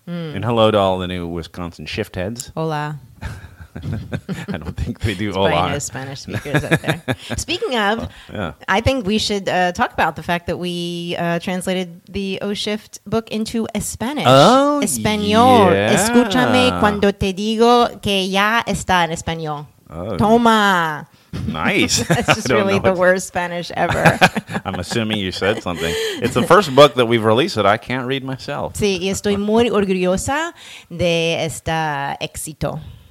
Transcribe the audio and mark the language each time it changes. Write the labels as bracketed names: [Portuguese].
[English] Mm. And hello to all the new Wisconsin shift heads. [Spanish] Hola. [English] I don't think they do hola. It's probably no Spanish speakers out there. Speaking of, I think we should talk about the fact that we translated the O Shift book into Spanish. Oh, [Spanish] Espanol. [English] Yeah. [Spanish] Escúchame cuando te digo que ya está en español. [English] Oh. [Spanish] Toma. [English] Nice. That's just really the worst Spanish ever. I'm assuming you said something. It's the first book that we've released that I can't read myself. [Spanish] Sí, y estoy muy orgullosa de este éxito.